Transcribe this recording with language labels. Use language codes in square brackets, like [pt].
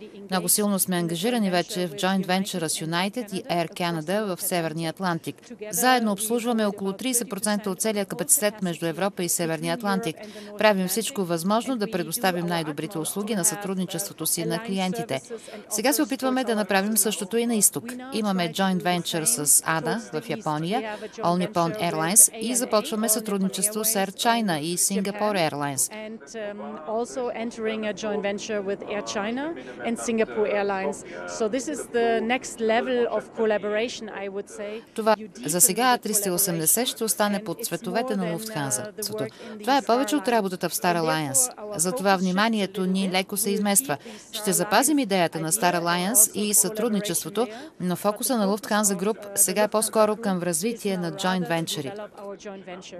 [bg] Много силно сме ангажирани вече в joint venture с United и Air Canada в Северния Атлантик. Заедно обслужваме около 30% от целия капацитет между Европа и Северния Атлантик. Правим всичко възможно да предоставим най-добрите услуги на сътрудничеството си на клиентите. Сега се опитваме да направим същото и на изток. Имаме joint venture с ADA в Япония, All Nippon Airlines и започваме сътрудничество с Air China и Singapore Airlines. [en] Also entering a joint venture with Air China and Singapore Airlines. So this is the next level of collaboration, I would say. [bg] Това за сега A380 ще остане под цветовете на Lufthansa. Това е повече от работата в Star Alliance. Затова вниманието ни леко се измества. Ще запазим идеята на Star Alliance и сътрудничеството, но фокуса на Lufthansa Group сега е по-скоро към развитие на joint venture.